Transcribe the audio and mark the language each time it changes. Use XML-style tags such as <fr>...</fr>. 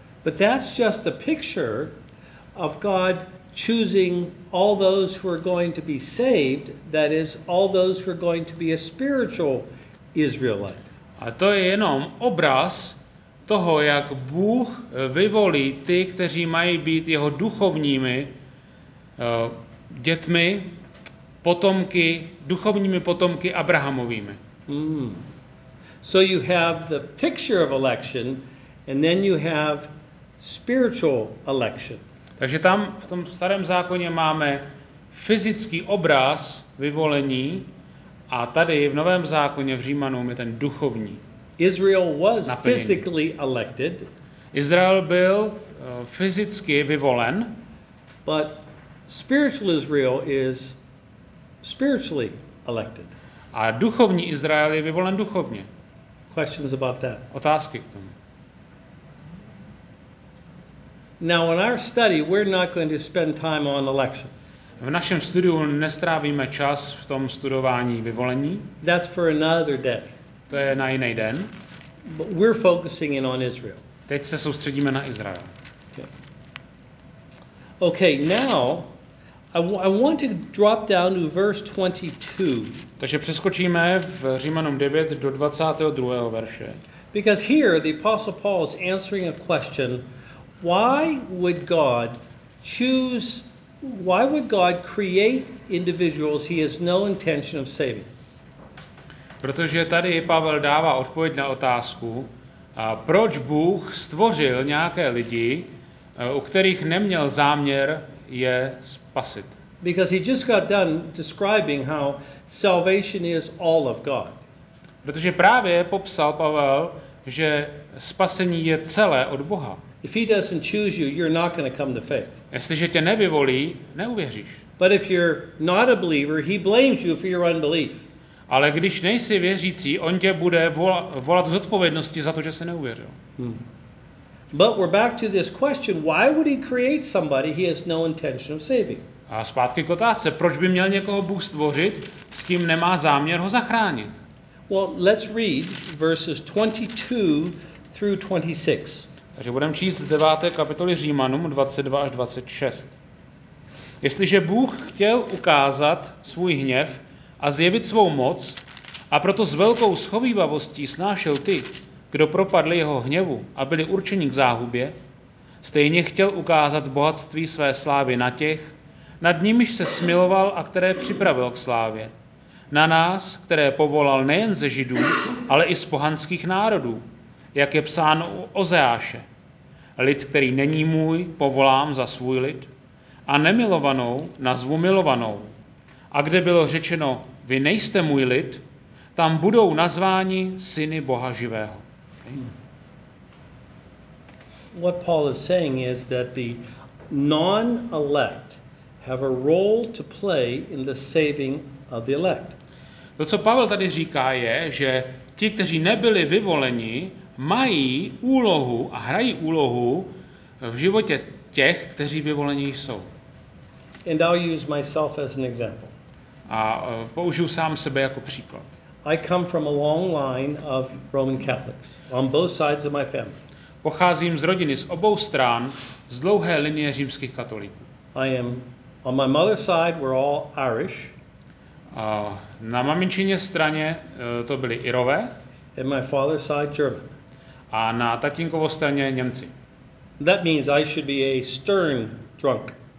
<en>But that's just a picture of God choosing all those who are going to be saved, that is, all those who are going to be a spiritual Israelite.</en> <cs>A to je jenom obraz toho, jak Bůh vyvolí ty, kteří mají být jeho duchovními dětmi, potomky, duchovními potomky Abrahamovými.</cs> <en>So you have the picture of election, and then you have spiritual election.</en> <cs>Takže tam v tom starém zákoně máme fyzický obraz vyvolení a tady v novém zákoně v Římanům je ten duchovní.</cs> <en>Israel was physically elected.</en> <cs>Izrael byl fyzicky vyvolen.</cs> <en>But spiritual Israel is spiritually elected.</en> <cs>A duchovní Izrael je vyvolen duchovně.</cs> <en>Questions about that.</en> <cs>Otázky k tomu.</cs> <en>Now in our study we're not going to spend time on election.</en> <cs>V našem studiu nestrávíme čas v tom studování vyvolení.</cs> <en>That's for another day.</en> <cs>To je na jiný den.</cs> <en>But we're focusing in on Israel.</en> <cs>Teď se soustředíme na Izrael.</cs> <en>Okay, now I want to drop down to verse 22.</en> <cs>Takže přeskočíme v Římanům 9 do 22. verše.</cs> <en>Because here the Apostle Paul is answering a question, why would God choose, why would God create individuals he has no intention of saving?</en> <cs>Protože tady Pavel dává odpověď na otázku, proč Bůh stvořil nějaké lidi, u kterých neměl záměr je spasit.</cs> <en>Because he just got done describing how salvation is all of God.</en> <cs>Protože právě popsal Pavel, že spasení je celé od Boha.</cs> <en>If he doesn't choose you, you're not going to come to faith.</en> <cs>Jestliže tě nevyvolí, neuvěříš.</cs> <en>But if you're not a believer, he blames you for your unbelief.</en> <cs>Ale když nejsi věřící, on tě bude volat zodpovědnosti za to, že se neuvěřil.</cs> <en>But we're back to this question, why would he create somebody he has no intention of saving?</en> <cs>A zpátky k otázce, proč by měl někoho Bůh stvořit, s kým nemá záměr ho zachránit?</cs> <en>Well, let's read verses 22 through 26.</en> <cs>Takže budeme číst z 9. kapitoly Římanům 22 až 26. Jestliže Bůh chtěl ukázat svůj hněv a zjevit svou moc, a proto s velkou schovývavostí snášel ty, kdo propadli jeho hněvu a byli určeni k záhubě, stejně chtěl ukázat bohatství své slávy na těch, nad nimiž se smiloval a které připravil k slávě, na nás, které povolal nejen ze Židů, ale i z pohanských národů, jak je psáno u Ozeáše. Lid, který není můj, povolám za svůj lid, a nemilovanou nazvu milovanou. A kde bylo řečeno, vy nejste můj lid, tam budou nazváni syny Boha živého.</cs> <en>What Paul is saying is that the non-elect have a role to play in the saving of the elect.</en> <cs>To, co Pavel tady říká, je, že ti, kteří nebyli vyvoleni, mají úlohu a hrají úlohu v životě těch, kteří vyvolení jsou.</cs> <en>And I'll use myself as an example.</en> <cs>A použiju sám sebe jako příklad.</cs> <en>I come from a long line of Roman Catholics on both sides of my family.</en> <cs>Pocházím z rodiny z obou stran, z dlouhé linie římských katolíků.</cs> <en>I am on my mother's side we're all Irish.</en> <cs>A na maminčině straně to byli Irové.</cs> <en>And my father's side German.</en> <cs>A na tatínkovo straně Němci.</cs> <en>That means I should be a stern drunk.</en>